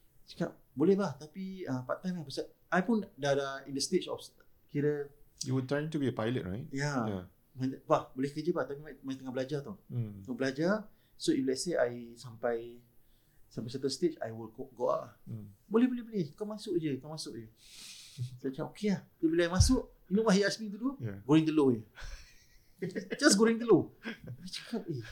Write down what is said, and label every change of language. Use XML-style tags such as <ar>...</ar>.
<ms>Cakap boleh lah, tapi part time lah. Pasal</ms> <en>I</en> <ms>pun dah</ms> <en>in the stage of kira, you were trying to be a pilot, right? Yeah.</en> <ms>Wah, boleh kerja lah, tapi main tengah belajar tau. Tengah belajar.</ms> <en>So if let's say I sampai certain stage, I will go out.</en> <ms>Boleh. Kau masuk je.</ms> <en>So,</en> <ms>saya cakap,</ms> <en>okay lah. So, bila I masuk, you know what he asked me to do? Yeah.</en> <ms>Goreng telur je.</ms> <en>Just</en> <ms>goreng telur. I cakap,</ms>